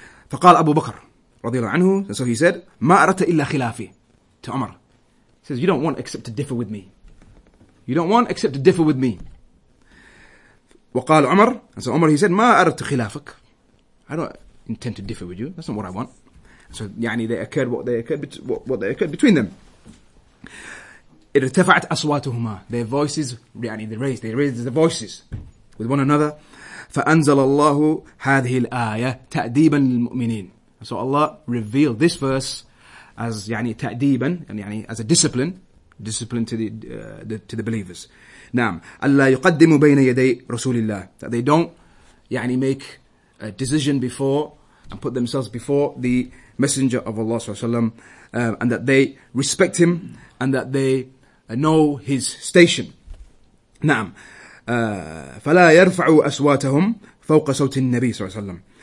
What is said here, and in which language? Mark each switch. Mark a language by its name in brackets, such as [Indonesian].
[Arabic] فقال أبو بكر رضي الله عنه. [English] So he said [Arabic] ما أردت إلا خلافي [English] to Umar. He says, you don't want except to differ with me. [Arabic] وقال عمر. [English] And so Umar, he said [Arabic] ما أردت خلافك. [English] I don't intend to differ with you. That's not what I want. So, they occurred between them. [Arabic] ارتفعت أصواتهما. [English] Their voices, they raised the voices with one another. [Arabic] فأنزل الله هذه الآية تأديبا للمؤمنين. [English] So Allah revealed this verse as تأديبا, as a discipline to the believers. نعم. [Arabic] الله يقدم بين يدي رسول الله. [English] That they don't make a decision before and put themselves before the Messenger of Allah Sallallahu Alaihi Wasallam, and that they respect him and that they know his station. [Arabic] Naam. فَلَا يَرْفَعُوا أَسْوَاتَهُمْ فَوْقَ صَوْتِ النَّبِيِّ صلى الله عليه وسلم.